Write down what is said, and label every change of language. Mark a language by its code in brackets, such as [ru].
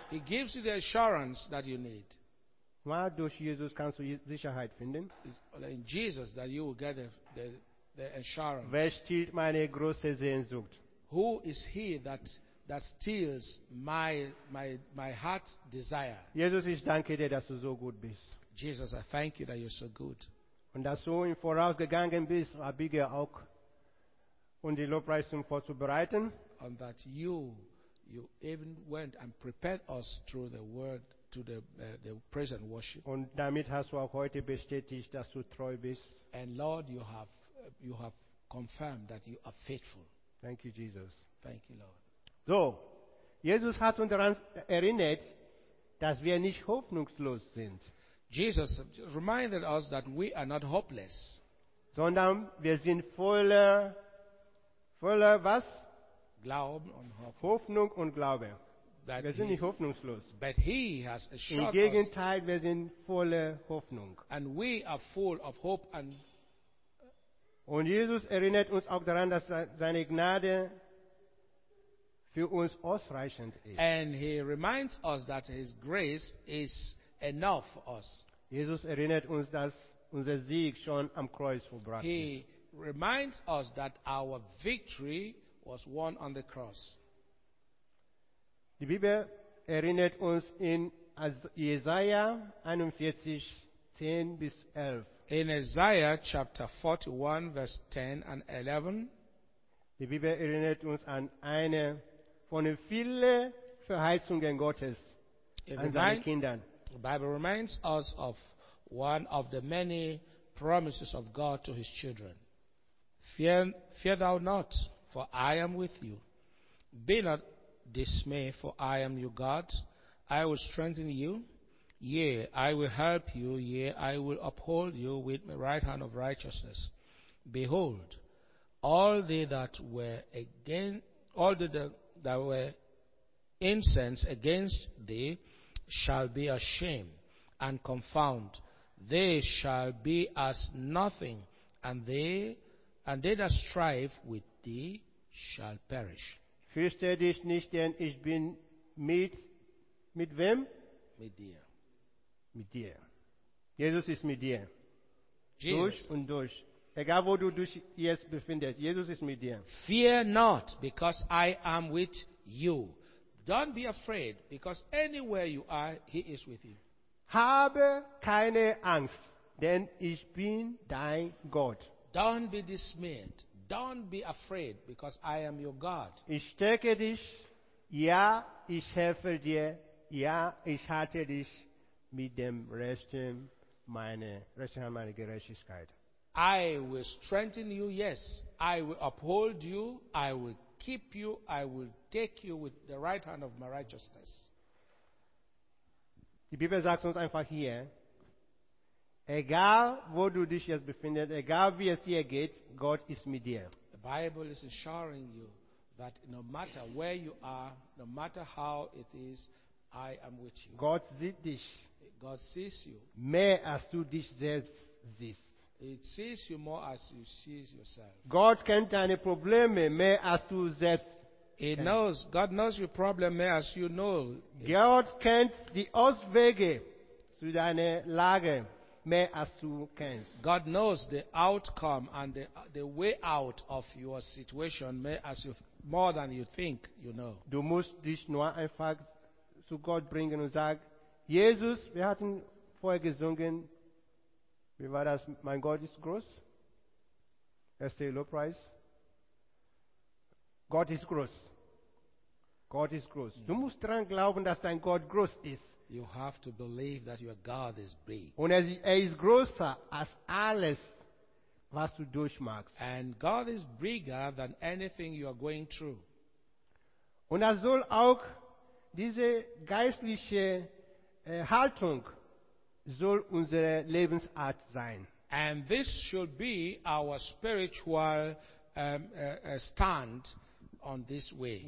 [en] He gives you the assurance that you need. [de] Mal durch Jesus kannst du Sicherheit finden. [en] It's in Jesus that you will get the assurance. [de] Wer stiehlt meine große Sehnsucht? [en] Who is he that steals my heart's desire? [de] Jesus, ich danke dir, dass du so gut bist. [en] Jesus, I thank you that you're so good. [de] Und dass du im Voraus gegangen bist, Abige auch, um die Lobpreis zum vorzubereiten. [en] And that you even went and prepared us through the word to the praise and worship. [de] Und damit hast du auch heute bestätigt, dass du treu bist. [en] And Lord, you have confirmed that you are faithful. Thank you, Jesus. Thank you, Lord. [de] So, Jesus hat uns daran erinnert, dass wir nicht hoffnungslos sind. [en] Jesus reminded us that we are not hopeless. [de] Sondern wir sind voller was? Glauben und Hoffnung. Hoffnung und Glaube. [en] But [de] wir sind nicht hoffnungslos. [en] But he has assured us. [de] Im Gegenteil, wir sind voller Hoffnung. [en] And we are full of hope and [de] und Jesus erinnert uns auch daran, dass seine Gnade für uns ausreichend ist. [en] And he reminds us that his grace is enough for us. [de] Jesus erinnert uns, dass unser Sieg schon am Kreuz vollbracht [en] he [de] ist. [en] He reminds us that our victory was won on the cross. [de] Die Bibel erinnert uns in Jesaja 41, 10 bis 11. [en] In Isaiah chapter 41, verse 10 and 11. [de] Die Bibel erinnert uns an eine von den vielen Verheißungen Gottes an seine Kinder. [en] The Bible reminds us of one of the many promises of God to his children. Fear thou not, for I am with you. Be not dismay, for I am your God. I will strengthen you. Yea, I will help you. Yea, I will uphold you with my right hand of righteousness. Behold, all they that were incensed against thee shall be ashamed and confound. They shall be as nothing, and they that strive with thee shall perish. [de] Fürchte dich nicht, denn ich bin mit wem? Mit dir. Mit dir. Jesus ist mit dir. Jesus. Durch und durch. Egal wo du dich jetzt befindest, Jesus ist mit dir. [en] Fear not, because I am with you. Don't be afraid, because anywhere you are, he is with you. [de] Habe keine Angst, denn ich bin dein Gott. [en] Don't be dismayed. Don't be afraid, because I am your God. [de] Ich stärke dich, ja, ich helfe dir, ja, ich halte dich mit dem Rechten meiner Gerechtigkeit. [en] I will strengthen you, yes. I will uphold you. I will keep you. I will take you with the right hand of my righteousness. [de] Die Bibel sagt uns einfach hier, egal wo du dich jetzt befindest, egal wie es dir geht, Gott ist mit dir. [en] The Bible is assuring you that no matter where you are, no matter how it is, I am with you. [de] Gott sieht dich. [en] God sees you. [de] Mehr als du dich selbst siehst. [en] It sees you more as you see yourself. [de] God kennt deine Probleme mehr als du selbst. [en] He knows. God knows your problem [de] mehr [en] as you know. [de] God kennt die Auswege zu deiner Lage mehr als du kennst. [en] God knows the outcome and the way out of your situation [de] mehr [en] as you more than you think you know. [de] Du musst dich nur einfach zu Gott bringen und sagen, Jesus, wir hatten vorher gesungen. Wie war das? Mein Gott ist groß. Er ist low price. Gott ist groß. Gott ist groß. Du musst daran glauben, dass dein Gott groß ist. [en] You have to believe that your God is big. [de] Und er ist größer als alles, was du durchmachst. [en] And God is bigger than anything you are going through. [de] Und er soll auch diese geistliche Haltung soll unsere Lebensart sein. [en] And this should be our spiritual stand on this way.